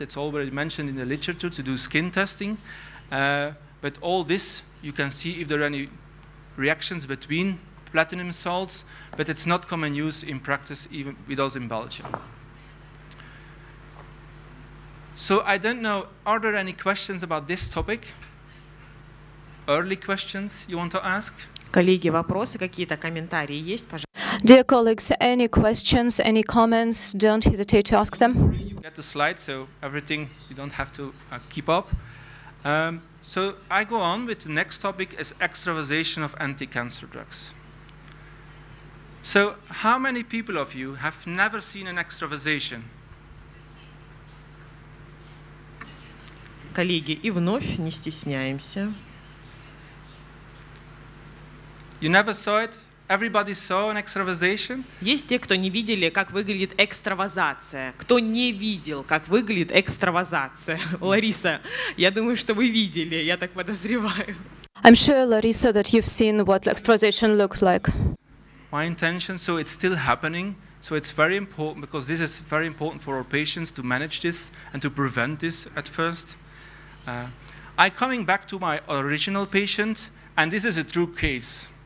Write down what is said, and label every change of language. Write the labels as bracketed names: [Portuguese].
[English] It's already mentioned in the literature to do skin testing. But all this, you can see if there are any reactions between platinum salts, but it's not common use in practice, even with us in Belgium. So I don't know, are there any questions about this topic? Early questions you want to ask? [Russian] Коллеги, вопросы какие-то, комментарии есть, пожалуйста? [English] Dear colleagues, any questions, any comments, don't hesitate to ask them. You get the slide, so everything, you don't have to keep up. So I go on with the next topic is extravasation of anti-cancer drugs. So how many people of you have never seen an extravasation? [Russian] Коллеги, и вновь не стесняемся. [English] You never saw it? Everybody saw an extravasation? [Russian] Есть те, кто не видели, как выглядит экстравазация. Кто не видел, как выглядит экстравазация? Лариса, я думаю, что вы видели, я так подозреваю. [English] I'm sure, Larissa, that you've seen what extravasation looks like. My intention, so it's still happening, so it's very important, because this is very important for our patients to manage this and to prevent this at first. I'm coming back to my original patient, and this is a true case.